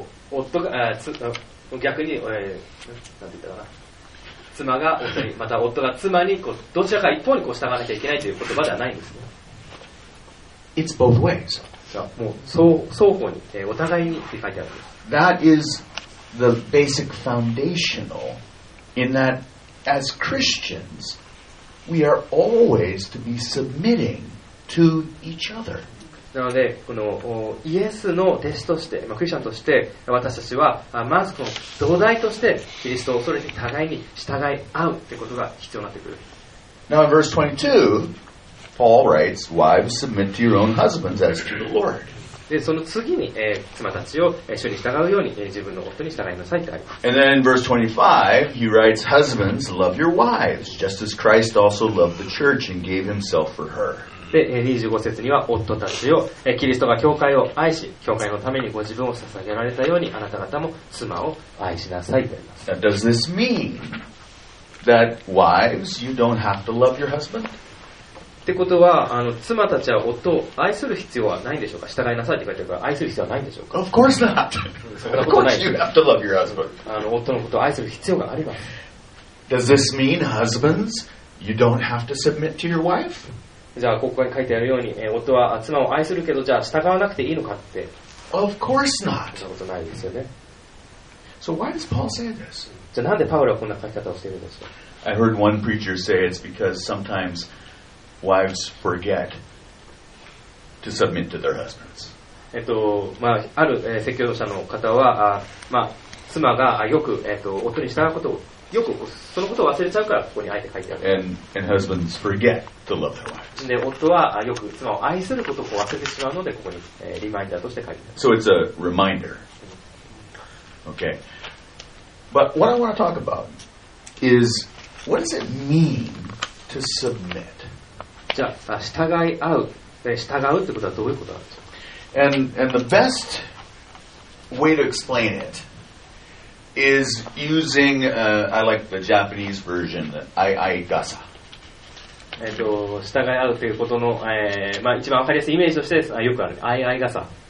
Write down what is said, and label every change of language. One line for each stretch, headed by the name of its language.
Japanese: 夫が、逆に、なんて言ったかな。妻が夫に、また夫が妻にこうどちらか一方にこう従わなきゃいけないという言葉ではないんですね。
English: It's both ways.
Japanese: もう双方に、お互いにって書いてあるんです。
English: That is the basic foundational in that as Christians, we are always to be submitting to each other.
Japanese: なので、このイエスの弟子として、クリスチャンとして、私たちはまずこの土台としてキリストを恐れて互いに従い合うってことが必要になってくる。
English: Now in verse 22,Paul writes, "Wives, submit to your own husbands as to the Lord."
Japanese: で、その次に、妻たちを主に従うように、自分の夫に従いなさいってあります。
English: And then in verse 25, he writes, "Husbands, love your wives, just as Christ also loved the church and gave himself for her."
Japanese: で、25節には、夫たちを、キリストが教会を愛し、教会のためにご自分を捧げられたように、あなた方も妻を愛しなさいってあります。
English: Now, does this mean that wives, you don't have to love your husband?
Japanese: ってことは妻たちは夫を愛する必要はないんでしょうか、従いなさいって書いてあるから愛する必要はないんでしょうか。
English: Of course not. Of course you have to love your husband.
Japanese: 夫のことを愛する必要があります。
English: Does this mean husbands you don't have to submit to your wife?
Japanese: じゃあここに書いてあるように夫は妻を愛するけどじゃあ従わなくていいのかって。
English: Of course not.
Japanese: そんなことないですよね。
English: So why does Paul say this?
Japanese: じゃあなんでパウロはこんな書き方をしているんですか。
English: I heard one preacher say it's because sometimesWives forget to submit to their husbands.
Japanese: まあ、ある、説教者の方は、まあ、妻がよく、夫に従うことをよくそのことを忘れちゃうからここにあえて書いてある。
English: And husbands forget to love their wives.
Japanese: で、夫はよく妻を愛することを忘れてしまうのでここに、リマインダーとして書いてある。
English: So it's a reminder. Okay. But what I want to talk about is what does it mean to submit?
Japanese: じゃあ従うってことはどういうことなんですか。
English: And the best way to explain it is using I like the Japanese version aigasa.
Japanese: 従い合うということの、まあ、一番わかりやすいイメージとしてよくある aigasa。